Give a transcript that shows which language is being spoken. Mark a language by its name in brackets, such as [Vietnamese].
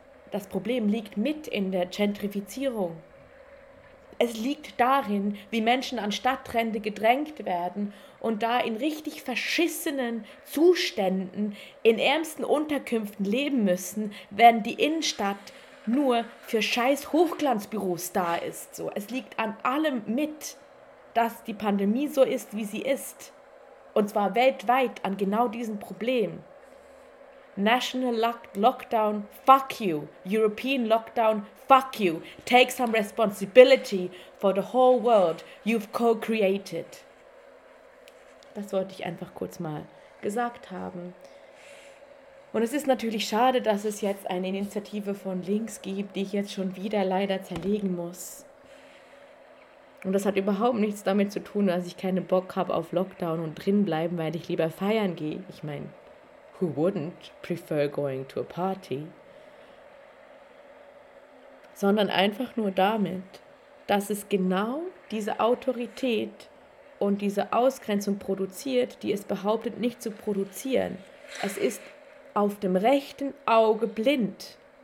[German] Das Problem liegt mit in der Gentrifizierung. Es liegt darin, wie Menschen an Stadtrände gedrängt werden und da in richtig verschissenen Zuständen in ärmsten Unterkünften leben müssen, während die Innenstadt nur für scheiß Hochglanzbüros da ist. So, es liegt an allem mit, dass die Pandemie so ist, wie sie ist. Und zwar weltweit an genau diesem Problem. [English] National Lockdown, fuck you. European Lockdown, fuck you. Take some responsibility for the whole world you've co-created. [German] Das wollte ich einfach kurz mal gesagt haben. Und es ist natürlich schade, dass es jetzt eine Initiative von links gibt, die ich jetzt schon wieder leider zerlegen muss. Und das hat überhaupt nichts damit zu tun, dass ich keinen Bock habe auf Lockdown und drinbleiben, weil ich lieber feiern gehe. Ich meine, [English] who wouldn't prefer going to a party? [German] Sondern einfach nur damit, dass es genau diese Autorität und diese Ausgrenzung produziert, die es behauptet, nicht zu produzieren. Es ist auf dem rechten Auge blind.